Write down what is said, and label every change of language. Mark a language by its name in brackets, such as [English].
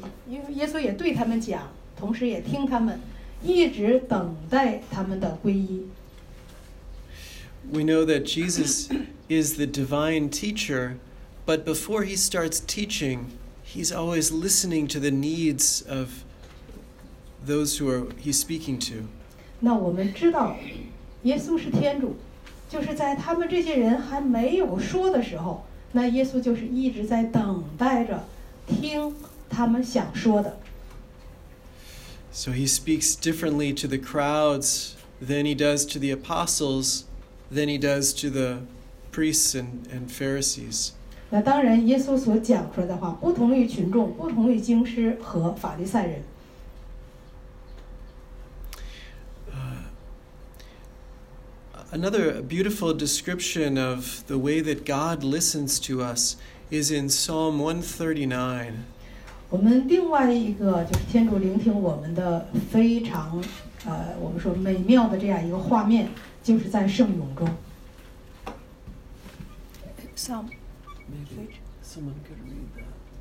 [Chinese] 耶稣也对他们讲，同时也听他们，一直等待他们的皈依。 [English] We know that Jesus is the divine teacher, but before he starts teaching, he's always listening to the needs of those who are he's speaking to. [Chinese] 那我们知道，耶稣是天主，就是在他们这些人还没有说的时候，那耶稣就是一直在等待着。听他们想说的。 [English] So he speaks differently to the crowds than he does to the apostles, than he does to the priests and Pharisees. [Chinese] 那当然，耶稣所讲出来的话不同于群众，不同于经师和法利赛人。 [English] Another beautiful description of the way that God listens to us. Is in Psalm 139. [Chinese] 我们另外一个就是天主聆听我们的非常我们说美妙的这样一个画面，就是在圣咏中。 [English] Psalm. Maybe someone could read that.